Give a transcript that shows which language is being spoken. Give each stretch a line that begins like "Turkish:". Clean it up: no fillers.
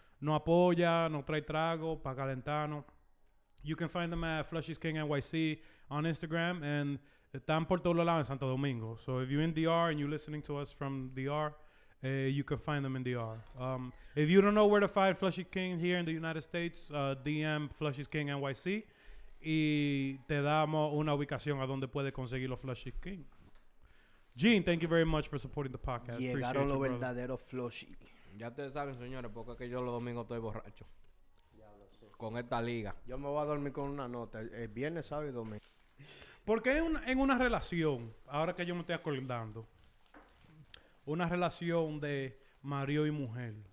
Spanish: No apoya, no trae trago, pa' calentano.
English: You can find them at Flushy's King NYC on Instagram. And
Spanish: están por todos lados en Santo Domingo.
English: So if you're in DR and you're listening to us from DR, you can find them in DR. If you don't know where to find Flushy King here in the United States, DM Flushy's King NYC.
Spanish: Y te damos una ubicación a donde puedes conseguir los Flushy King.
English: Gene, thank you very much for supporting the podcast.
Spanish: Llegaron los verdaderos Flushy. Ya ustedes saben, señores, porque es que yo los domingos estoy borracho. Ya lo sé. Con esta liga. Yo me voy a dormir con una nota. El viernes, sábado y domingo. Porque en una relación, ahora que yo me estoy acordando, una relación de marido y mujer.